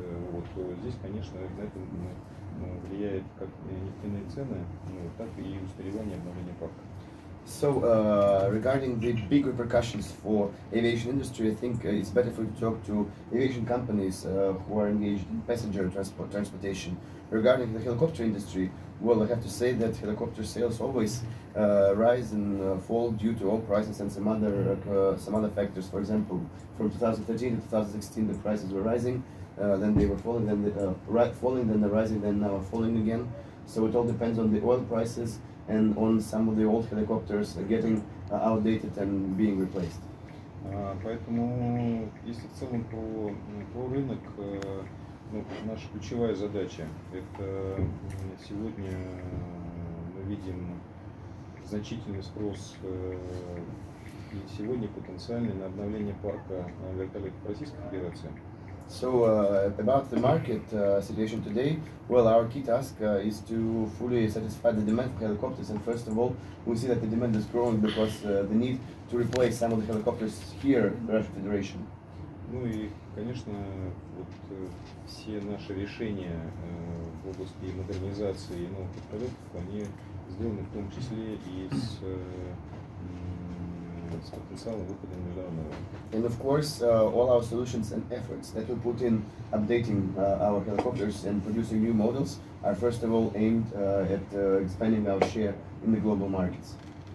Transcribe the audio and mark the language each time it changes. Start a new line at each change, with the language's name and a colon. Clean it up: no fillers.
Russian: Вот, то здесь, конечно, на это влияет как нефтяные цены, ну, так и устаревание обновления парка.
English: So, regarding the big repercussions for aviation industry, I think it's better for you to talk to aviation companies who are engaged in passenger transportation. Regarding the helicopter industry, well, I have to say that helicopter sales always rise and fall due to oil prices and some other factors. For example, from 2013 to 2016, the prices were rising, then they were falling, then falling, then rising, then now falling again. So it all depends on the oil prices and on some of the old helicopters getting outdated and being replaced.
Russian: Поэтому, если в целом про рынок, ну, наша ключевая задача, это сегодня мы видим значительный спрос и сегодня потенциальный на обновление парка вертолетов Российской Федерации.
English: So about the market situation today, well, our key task is to fully satisfy the demand for helicopters. And first of all, we see that the demand is growing because the need to replace some of the helicopters here in the Russian Federation.
Russian: Ну и, конечно, вот все наши решения в области модернизации и новых вертолетов, они сделаны в том числе и с потенциалом выхода на международный рынок.
English: And of course, all our solutions and efforts that we put in updating our helicopters and producing new models are first of all aimed at expanding our share in the global markets.